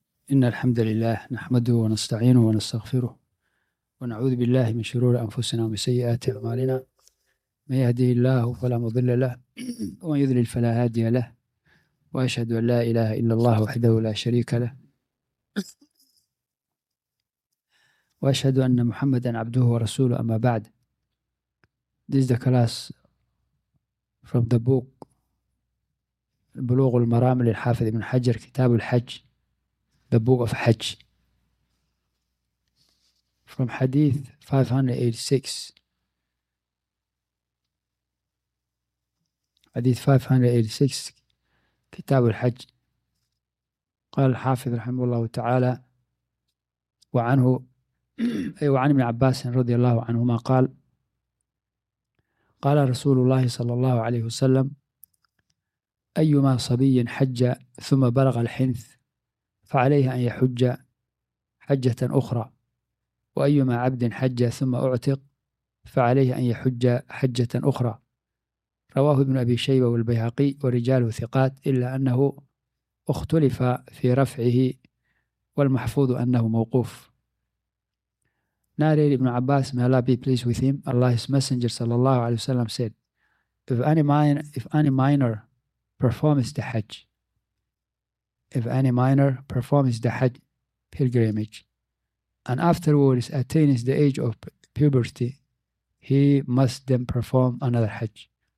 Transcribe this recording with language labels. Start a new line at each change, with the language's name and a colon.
Arabic: إن الحمد لله نحمده ونستعينه ونستغفره ونعوذ بالله من شرور أنفسنا ومن سيئات أعمالنا، من يهده الله فلا مضل له ومن يضلل فلا هادي له، وأشهد أن لا إله إلا الله وحده لا شريك له، وأشهد أن محمدا عبده ورسوله. أما بعد،
English: This is the class from the book بلوغ المرام للحافظ ابن حجر، كتاب الحج، The Book of Hajj, from Hadith 586. Hadith 586, Kitab al-Hajj.
Arabic: قال الحافظ رحمه الله تعالى وعنه أي وعن ابن عباس رضي الله عنهما قال قال رسول الله صلى الله عليه وسلم أيما صبي حج ثم بلغ الحنث فعليه أن يحج حجة أخرى، وأيما عبد حج ثم أعتق فعليه أن يحج حجة أخرى. رواه ابن أبي شيبة والبيهقي ورجاله ثقات، إلا أنه اختلف في رفعه، والمحفوظ أنه موقوف.
English: نارير ابن عباس may Allah be pleased with him, Allah's messenger صلى الله عليه وسلم said, if any minor performs the Hajj, if any minor performs the Hajj pilgrimage, and afterwards attains the age of puberty, he must then perform another Hajj.